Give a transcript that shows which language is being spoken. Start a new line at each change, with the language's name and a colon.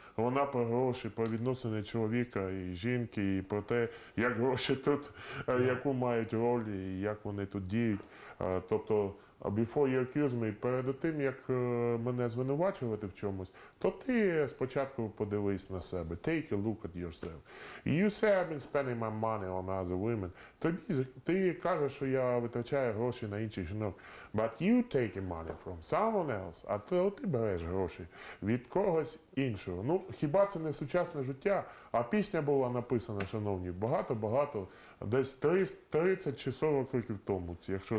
Ukrainian: Вона про гроші, про відносини чоловіка і жінки, і про те, як гроші тут, яку мають роль, і як вони тут діють. Тобто «Before You Accuse Me» – перед тим, як мене звинувачувати в чомусь, то ти спочатку подивись на себе.
English: «Take a look at yourself». «You say I've been spending my money on other women».
Ukrainian: Тобі, ти кажеш, що я витрачаю гроші на інших жінок.
English: But you take money from someone else,
Ukrainian: а то ти береш гроші від когось іншого. Ну, хіба це не сучасне життя? А пісня була написана, шановні, багато-багато, десь 30 чи 40 років тому, якщо